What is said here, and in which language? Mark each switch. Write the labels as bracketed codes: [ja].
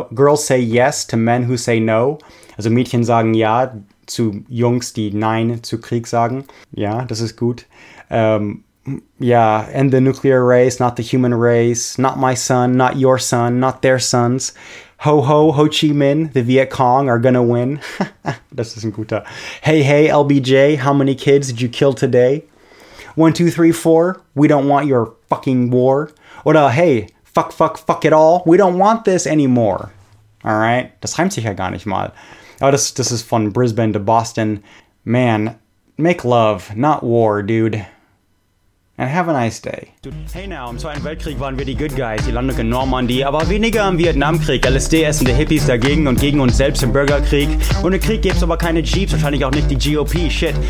[en] Girls say yes to men who say no. [de] Also Mädchen sagen ja zu Jungs, die nein zu Krieg sagen. Ja, das ist gut. [en] End the nuclear race, not the human race. Not my son, not your son, not their sons. Ho ho, Ho Chi Minh, the Viet Cong are gonna win. [de] Das ist ein guter. [en] Hey hey, LBJ, how many kids did you kill today? 1, 2, 3, 4, we don't want your fucking war. [de] Oder [en] hey, fuck, fuck, fuck it all, we don't want this anymore. [de] Alright, das reimt sich ja gar nicht mal. [en] Oh, this is from Brisbane to Boston. Man, make love, not war, dude. And have a nice day. Hey now, [de] im Zweiten Weltkrieg waren wir die Good Guys, die Landung in Normandie, aber weniger im Vietnamkrieg. LSD-essende Hippies dagegen und gegen uns selbst im Bürgerkrieg. Ohne Krieg gäbe es aber keine Jeeps, wahrscheinlich auch nicht die GOP, shit.